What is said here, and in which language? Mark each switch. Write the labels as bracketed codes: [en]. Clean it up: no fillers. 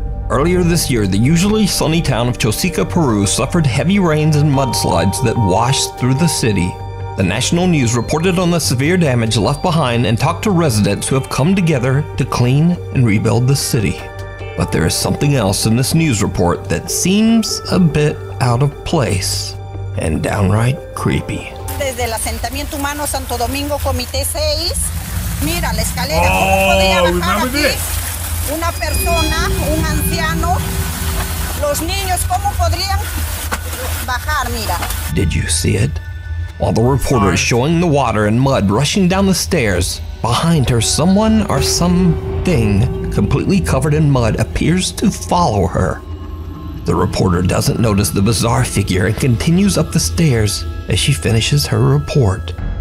[en] Earlier this year, the usually sunny town of Chosica, Peru suffered heavy rains and mudslides that washed through the city. The national news reported on the severe damage left behind and talked to residents who have come together to clean and rebuild the city. But there is something else in this news report that seems a bit out of place and downright creepy. [es] Desde el asentamiento humano Santo Domingo Comité 6, mira la escalera. [en] Oh, remember this? [es] Una persona, un anciano, los niños, ¿cómo podrían bajar? Mira. [en] Did you see it? While the reporter is showing the water and mud rushing down the stairs, behind her, someone or something completely covered in mud appears to follow her. The reporter doesn't notice the bizarre figure and continues up the stairs as she finishes her report.